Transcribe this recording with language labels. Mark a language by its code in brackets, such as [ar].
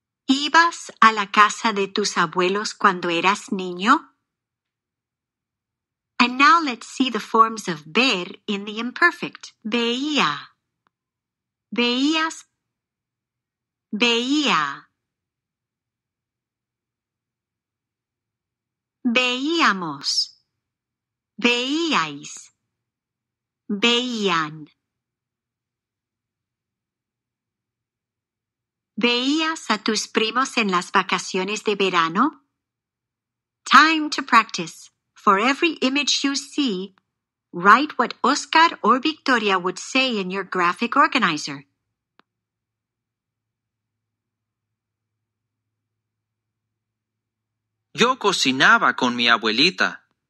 [es] ¿Ibas a la casa de tus abuelos cuando eras niño? [en] And now let's see the forms of ver in the imperfect. [es] Veía, veías, veía. Veíamos, veíais, veían. ¿Veías a tus primos en las vacaciones de verano? [en] Time to practice. For every image you see, write what Oscar or Victoria would say in your graphic organizer. [es] Yo cocinaba con mi abuelita.